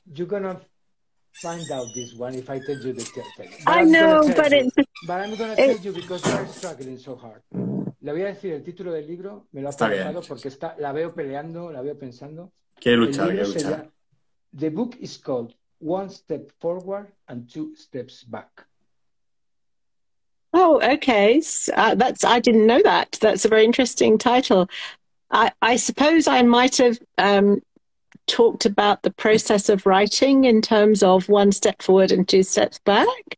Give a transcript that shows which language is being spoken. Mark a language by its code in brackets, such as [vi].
[en] You're gonna find out this one if I tell you the title. But I'm gonna tell you because you are struggling so hard. [es] Le voy a decir el título del libro, me lo ha pasado porque está, la veo peleando, la veo pensando. Qué lucha. [en] The book is called One Step Forward and Two Steps Back. Oh, okay. I didn't know that. That's a very interesting title. I suppose I might have talked about the process of writing in terms of one step forward and two steps back.